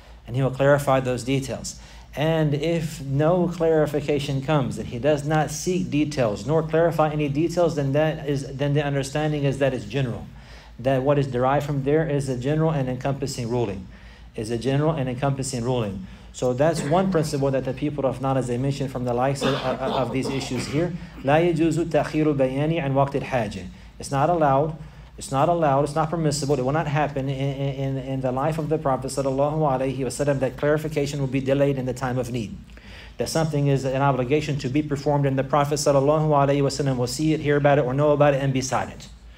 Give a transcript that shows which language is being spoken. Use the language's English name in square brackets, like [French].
[English] And he will clarify those details. And if no clarification comes, that he does not seek details nor clarify any details, then that is, then the understanding is that it's general. That what is derived from there is a general and encompassing ruling. Is a general and encompassing ruling. So that's one principle that the people of knowledge, they mentioned from the likes of these issues here. [Arabic] لا يجوز تأخير البيان عن وقت الحاجة. [English] It's not allowed. It's not allowed, it's not permissible, it will not happen in the life of the Prophet sallallahu alayhi wa sallam that clarification will be delayed in the time of need. That something is an obligation to be performed and the Prophet sallallahu alayhi wa sallam will see it, hear about it, or know about it and be silent.